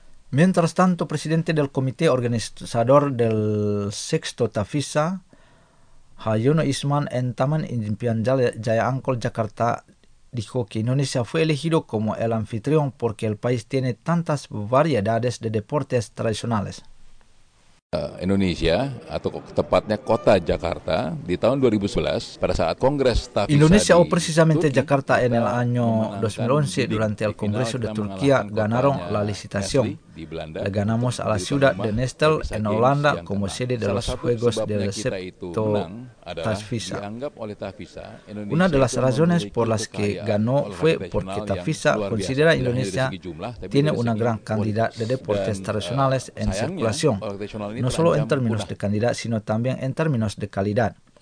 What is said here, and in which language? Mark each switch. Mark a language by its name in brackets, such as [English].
[Spanish] Mientras tanto, presidente del Comité Organizador del Sexto TAFISA, Hayono Isman, en Taman Impian Jaya Ancol, Jakarta, dijo que Indonesia fue elegido como el anfitrión porque el país tiene tantas variedades de deportes tradicionales. [Indonesian] Indonesia, atau tepatnya kota Jakarta, di tahun 2011 pada saat Kongres TAFISA [Spanish] Indonesia, o precisamente Jakarta, en el año 2011 durante el Congreso de Turquía ganaron la licitación. Le ganamos a la ciudad de Nestel en Holanda como sede de los Juegos del Sexto TAFISA. Una de las razones por las que ganó fue porque TAFISA considera Indonesia tiene una gran cantidad de deportes tradicionales en circulación, no solo en términos de cantidad, sino también en términos de calidad.